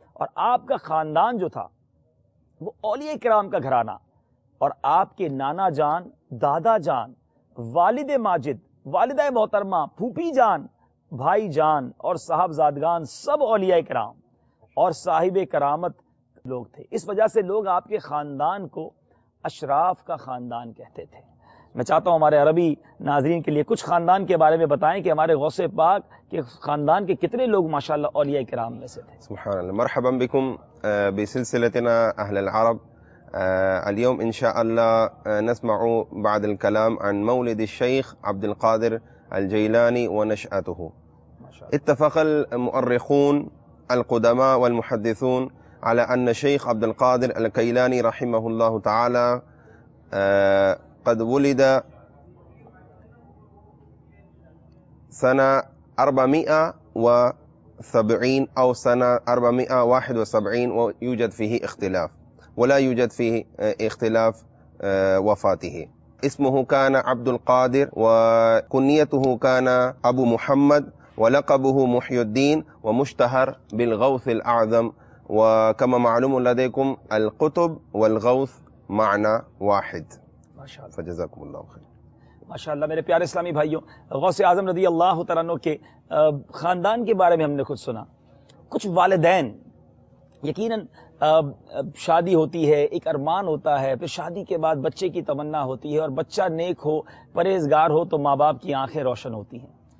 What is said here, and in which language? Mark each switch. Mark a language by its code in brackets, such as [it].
[ur] اور آپ کا خاندان جو تھا وہ اولیاء کرام کا گھرانہ, اور آپ کے نانا جان, دادا جان, والد ماجد, والدہ محترمہ, پھوپی جان, بھائی جان اور صاحبزادگان سب اولیاء کرام اور صاحب کرامت لوگ تھے. اس وجہ سے لوگ آپ کے خاندان کو اشراف کا خاندان کہتے تھے. میں چاہتا ہوں ہمارے عربی ناظرین کے لیے کچھ خاندان کے بارے میں بتائیں کہ ہمارے غوث پاک کے خاندان کے کتنے لوگ ماشاءاللہ اولیاء کرام میں سے تھے. [ar] سبحان اللہ, مرحبا بكم بسلسلتنا اهل العرب. اليوم ان شاء الله نسمع بعض الكلام عن مولد الشيخ عبد القادر الجيلاني ونشأته. اتفق المؤرخون القدماء والمحدثون على أن شيخ عبد القادر الكيلاني رحمه الله تعالى قد ولد سنة 470 أو سنة 471, ويوجد فيه اختلاف ولا يوجد فيه اختلاف وفاته. اسمه كان عبد القادر وكنيته كان أبو محمد ولقبه محي الدين ومشتهر بالغوث الأعظم. وكما معلوم لديكم القطب والغوث معنى واحد. ما شاء الله, فجزاكم الله خير. ما شاء الله. [ur] میرے پیارے اسلامی بھائیوں, غوث اعظم رضی اللہ تعالیٰ عنہ کے خاندان کے بارے میں ہم نے کچھ سنا. کچھ والدین, یقیناً شادی ہوتی ہے, ایک ارمان ہوتا ہے, پھر شادی کے بعد بچے کی تمنا ہوتی ہے, اور بچہ نیک ہو, پرہیزگار ہو, تو ماں باپ کی آنکھیں روشن ہوتی ہیں.